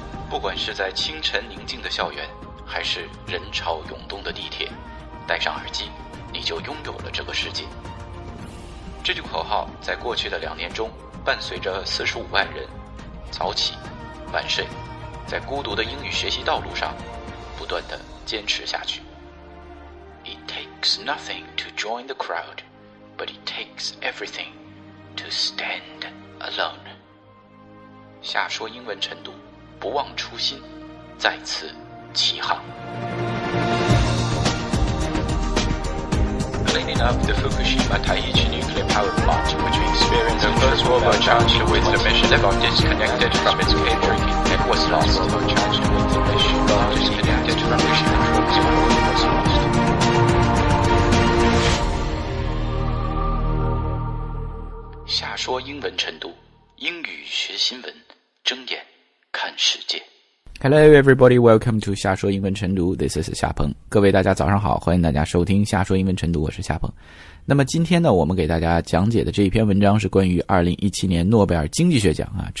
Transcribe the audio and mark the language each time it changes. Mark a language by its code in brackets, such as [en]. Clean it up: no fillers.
[zh] 不管是在清晨宁静的校园，还是人潮涌动的地铁，戴上耳机，你就拥有了这个世界。这句口号在过去的两年中，伴随着450,000人早起晚睡，在孤独的英语学习道路上不断地坚持下去。 [en] It takes nothing to join the crowd, but it takes everything to stand alone. [zh] 下说英文晨读，不忘初心，再次起航。 [en] Cleaning up the Fukushima Taiichi nuclear power plant, which experienced the first robot charged with the mission that got disconnected from its cable and was lost. The first robot charged with the mission that got disconnected from its cable and was lost. [zh] 下说英文晨读，英语学新闻，睁眼看世界。 [en] Hello everybody, welcome to 下说英文晨读 This is 夏鹏。 [zh] 各位大家早上好，欢迎大家收听下说英文晨读，我是夏鹏。那么今天呢，我们给大家讲解的这一篇文章是关于2017年诺贝尔经济学奖啊。